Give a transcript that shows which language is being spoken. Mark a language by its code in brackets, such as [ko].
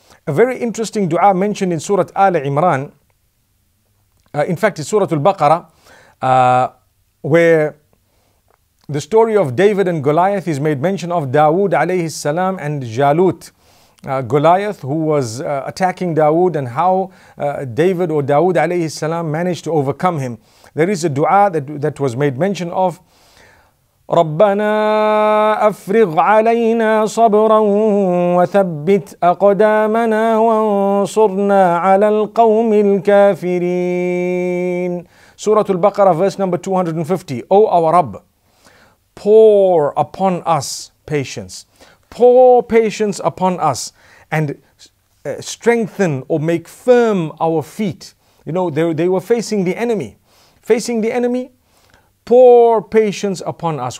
[en] A very interesting dua mentioned in Surah Ali Imran. In fact, it's Surah Al-Baqarah, where the story of David and Goliath is made mention of. Dawood alayhi salam and Jalut, Goliath, who was attacking Dawood, and how David or Dawood alayhi salam managed to overcome him. There is a dua that was made mention of. [ar] ربنا أفرغ علينا صبرا وثبت أقدامنا وانصرنا على القوم الكافرين. [en] سورة البقرة verse number 250. O our Rabb, pour upon us patience. Pour patience upon us and strengthen or make firm our feet. You know, they were facing the enemy. Facing the enemy, pour patience upon us.